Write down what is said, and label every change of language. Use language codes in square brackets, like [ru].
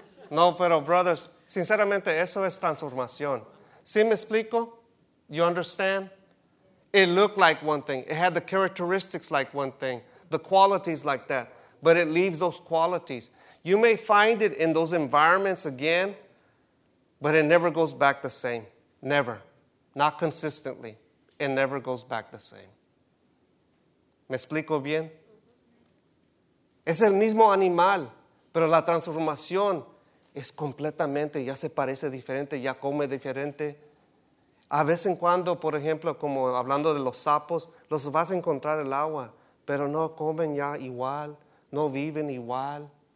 [es] No, pero brothers, sinceramente, eso es transformación. ¿Sí me explico? [en] You understand? It looked like one thing. It had the characteristics like one thing. The qualities like that. But it leaves those qualities. You may find it in those environments again, but it never goes back the same. Never. Not consistently. It never goes back the same. [es] ¿Me explico bien? Es el mismo animal, pero la transformación es completamente, ya se parece diferente, ya come diferente. A vez en cuando, por ejemplo, como hablando de los sapos, los vas a encontrar el agua, pero no comen ya igual, no viven igual.